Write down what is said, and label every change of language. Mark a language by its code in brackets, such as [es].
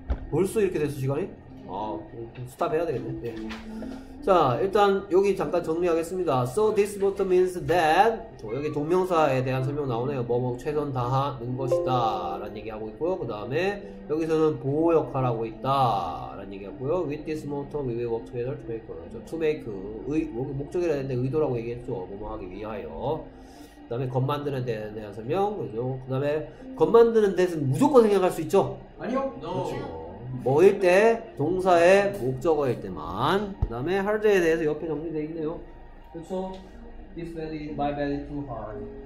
[ko] 벌써 이렇게 됐어 시간이? 아, 스탑해야 되겠네. 네. 자, 일단 여기 잠깐 정리하겠습니다. [en] So this motto means that [ko] 여기 동명사에 대한 설명 나오네요. 뭐뭐 최선 다하는 것이다 라는 얘기하고 있고요. 그 다음에 여기서는 보호 역할하고 있다 라는 얘기하고요. [en] With this motto we will work together to make it. [ko] To make 목적이라 했는데 의도라고 얘기했죠. 뭐뭐하기 위하여. 그 다음에 겁 만드는 데 대한 설명. 그죠? 그 다음에 겁 만드는 데는 무조건 생각할 수 있죠? 아니요. No. 그렇죠. 뭐일 때? 동사의 목적어일 때만. 그 다음에 hard에 대해서 옆에 정리되어 있네요. 그렇죠? [en] This bed is my bed is too hard.